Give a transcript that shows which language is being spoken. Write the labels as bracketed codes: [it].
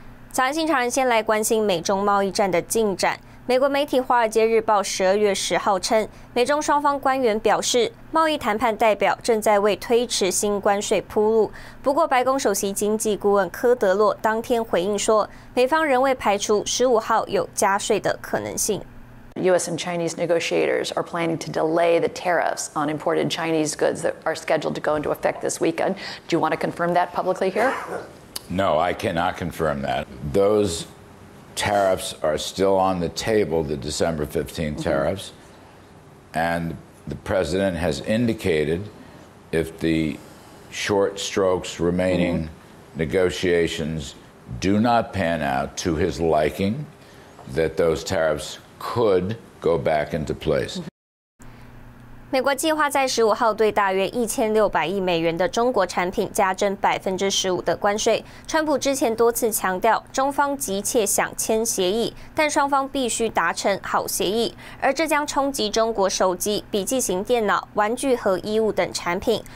[zh] 早安新潮人，先来关心美中贸易战的进展。美国媒体《华尔街日报》12月10号称，美中双方官员表示，贸易谈判代表正在为推迟新关税铺路。不过，白宫首席经济顾问科德洛当天回应说，美方仍未排除15号有加税的可能性。 [en] U.S. and Chinese negotiators are planning to delay the tariffs on imported Chinese goods that are scheduled to go into effect this weekend. Do you want to confirm that publicly here? No, I cannot confirm that. Those. Tariffs are still on the table, the December 15 tariffs, and the president has indicated if the short strokes remaining negotiations do not pan out to his liking, that those tariffs could go back into place. [zh] 美国计划在15号对大约1600亿美元的中国产品加征15%的关税。川普之前多次强调，中方急切想签协议，但双方必须达成好协议。而这将冲击中国手机、笔记型电脑、玩具和衣物等产品。